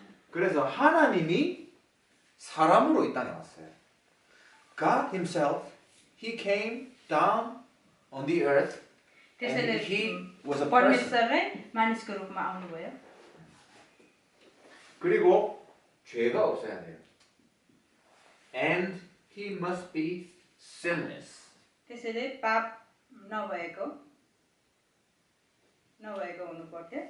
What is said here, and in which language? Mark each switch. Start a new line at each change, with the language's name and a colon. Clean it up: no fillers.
Korean: 그래서 하나님이 사람으로 이 땅에 왔어요.
English: God himself, he came down on the earth and he was a person.
Korean: 그리고 죄가 없어야 돼요.
English: And he must be sinless. 대신에 밥 나와야고 나와야고 오는 거